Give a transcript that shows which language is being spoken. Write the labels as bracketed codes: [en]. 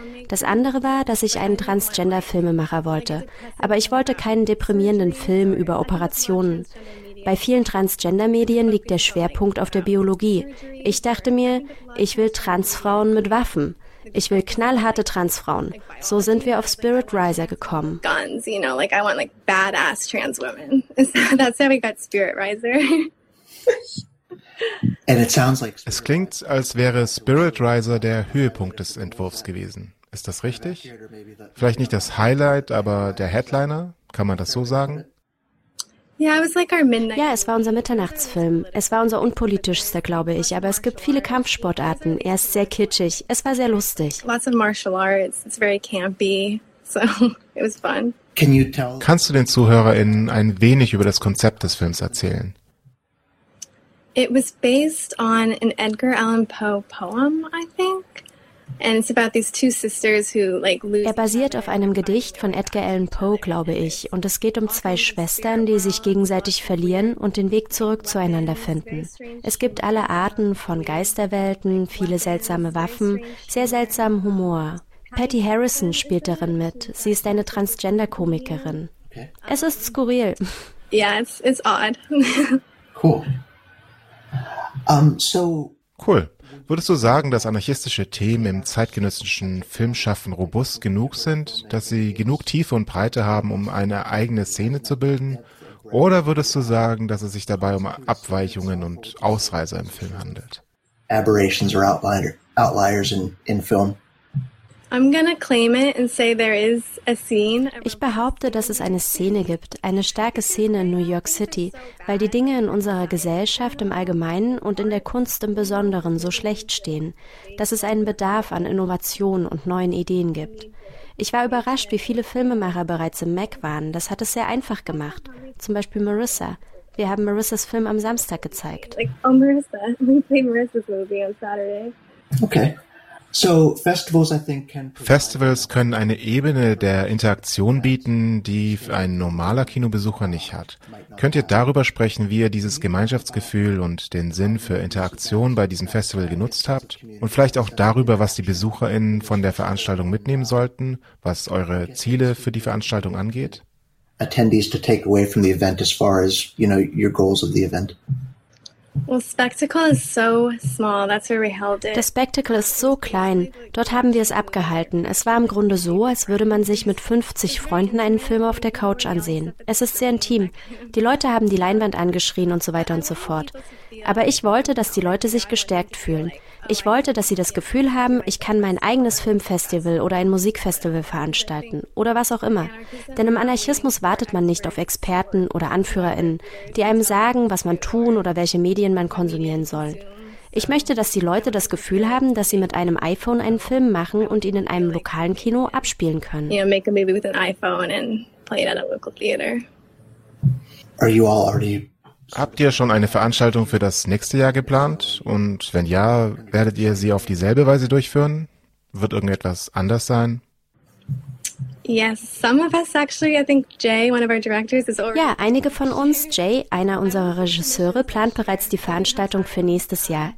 [de] Das andere war, dass ich einen Transgender-Filmemacher wollte. Aber ich wollte keinen deprimierenden Film über Operationen. Bei vielen Transgender-Medien liegt der Schwerpunkt auf der Biologie. Ich dachte mir, ich will Transfrauen mit Waffen. Ich will knallharte Transfrauen. So sind wir auf Spirit Riser gekommen. [en] Guns, you know, like I want like badass trans women. That's how we got Spirit Riser. [de] Es klingt, als wäre Spirit Riser der Höhepunkt des Entwurfs gewesen. Ist das richtig? Vielleicht nicht das Highlight, aber der Headliner? Kann man das so sagen? Ja, es war unser Mitternachtsfilm. Es war unser unpolitischster, glaube ich, aber es gibt viele Kampfsportarten. Er ist sehr kitschig. Es war sehr lustig. [en] Lots of martial arts. It's very campy. So, it was fun. [de] Kannst du den ZuhörerInnen ein wenig über das Konzept des Films erzählen? [en] It was based on an Edgar Allan Poe poem, I think. And it's about these two sisters who like lose. [de] Er basiert auf einem Gedicht von Edgar Allan Poe, glaube ich, und es geht um zwei Schwestern, die sich gegenseitig verlieren und den Weg zurück zueinander finden. Es gibt alle Arten von Geisterwelten, viele seltsame Waffen, sehr seltsamen Humor. Patty Harrison spielt darin mit. Sie ist eine Transgender-Komikerin. Es ist skurril. [en] Yeah, it's odd. Cool. [de] Würdest du sagen, dass anarchistische Themen im zeitgenössischen Filmschaffen robust genug sind, dass sie genug Tiefe und Breite haben, um eine eigene Szene zu bilden? Oder würdest du sagen, dass es sich dabei um Abweichungen und Ausreißer im Film handelt? [en] Aberrations or outliers in film. I'm gonna claim it and say there is a scene. [de] Ich behaupte, dass es eine Szene gibt, eine starke Szene in New York City, weil die Dinge in unserer Gesellschaft im Allgemeinen und in der Kunst im Besonderen so schlecht stehen, dass es einen Bedarf an Innovation und neuen Ideen gibt. Ich war überrascht, wie viele Filmemacher bereits im Mac waren. Das hat es sehr einfach gemacht. Zum Beispiel Marissa. Wir haben Marissas Film am Samstag gezeigt. [en] Like, oh, Marissa. We played Marissa's movie on Saturday. Okay. So festivals, I think, [de] Festivals können eine Ebene der Interaktion bieten, die ein normaler Kinobesucher nicht hat. Könnt ihr darüber sprechen, wie ihr dieses Gemeinschaftsgefühl und den Sinn für Interaktion bei diesem Festival genutzt habt? Und vielleicht auch darüber, was die BesucherInnen von der Veranstaltung mitnehmen sollten, was eure Ziele für die Veranstaltung angeht? [en] Attendees to take away from the event as far as, you know, your goals of the event. Well, Spectacle is so small. That's where we held it. [de] Das Spectacle ist so klein. Dort haben wir es abgehalten. Es war im Grunde so, als würde man sich mit 50 Freunden einen Film auf der Couch ansehen. Es ist sehr intim. Die Leute haben die Leinwand angeschrien und so weiter und so fort. Aber ich wollte, dass die Leute sich gestärkt fühlen. Ich wollte, dass sie das Gefühl haben, ich kann mein eigenes Filmfestival oder ein Musikfestival veranstalten oder was auch immer. Denn im Anarchismus wartet man nicht auf Experten oder AnführerInnen, die einem sagen, was man tun oder welche Medien man konsumieren soll. Ich möchte, dass die Leute das Gefühl haben, dass sie mit einem iPhone einen Film machen und ihn in einem lokalen Kino abspielen können. [en] You know, make a movie with an iPhone and play it at a local theater. Are you all already... [de] Habt ihr schon eine Veranstaltung für das nächste Jahr geplant? Und wenn ja, werdet ihr sie auf dieselbe Weise durchführen? Wird irgendetwas anders sein? Ja, einige von uns, Jay, einer unserer Regisseure, plant bereits die Veranstaltung für nächstes Jahr.